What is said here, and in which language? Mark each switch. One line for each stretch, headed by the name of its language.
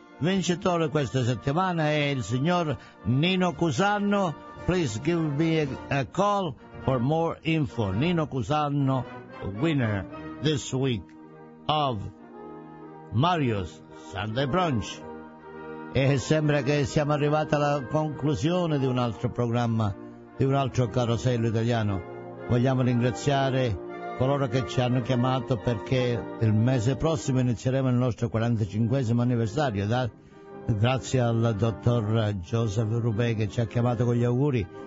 Italian: Vincitore questa settimana è il signor Nino Cusano.
English: Please give me a call for more info. Nino Cusano, winner this week of Mario's Sunday Brunch.
Italian: E sembra che siamo arrivati alla conclusione di un altro programma, di un altro carosello italiano. Vogliamo ringraziare coloro che ci hanno chiamato, perché il mese prossimo inizieremo il nostro 45esimo anniversario. Grazie al dottor Joseph Rubè che ci ha chiamato con gli auguri.